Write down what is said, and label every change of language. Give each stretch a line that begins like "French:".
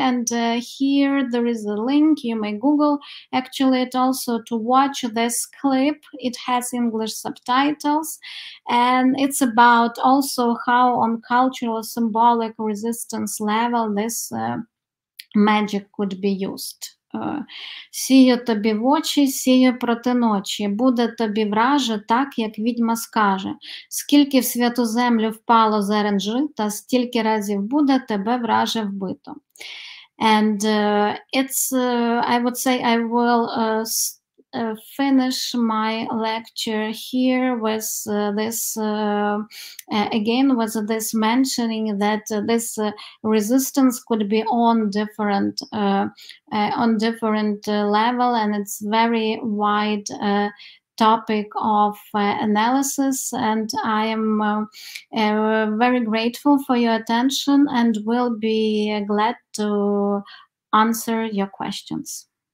English: And here there is a link, you may Google actually it also to watch this clip. It has English subtitles, and it's about also how on cultural symbolic resistance level this magic could be used.
Ukrainian: Сію тобі в очі, сію проти ночі, буде тобі враже, так, як відьма скаже. Скільки в святу землю впало зерен жита, стільки разів буде тебе враже вбито.
English: And it's, I would say, I will finish my lecture here with this again with this mentioning that this resistance could be on different level, and it's very wide topic of analysis, and I am very grateful for your attention and will be glad to answer your questions.